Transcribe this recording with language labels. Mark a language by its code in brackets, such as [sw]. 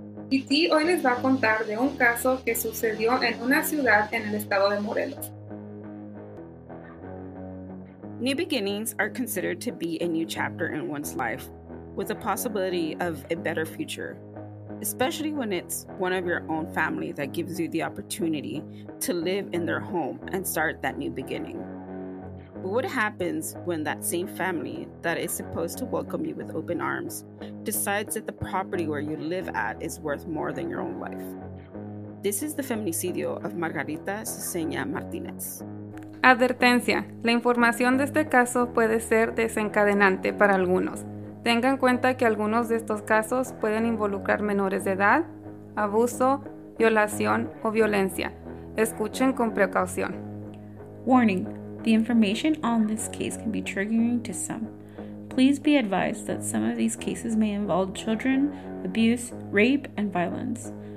[es] Y Dee hoy les va a contar de un caso que sucedió en una ciudad en el estado de Morelos. [en] New beginnings are considered to be a new chapter in one's life with the possibility of a better future, especially when it's one of your own family that gives you the opportunity to live in their home and start that new beginning. But what happens when that same family that is supposed to welcome you with open arms decides that the property where you live at is worth more than your own life? This is the feminicidio of Margarita Ceceña Martinez. [es] Advertencia, la información de este caso puede ser desencadenante para algunos. Tenga en cuenta que algunos de estos casos pueden involucrar menores de edad, abuso, violación o violencia. Escuchen con precaución. [en] Warning, the information on this case can be triggering to some. Please be advised that some of these cases may involve children, abuse, rape, and violence.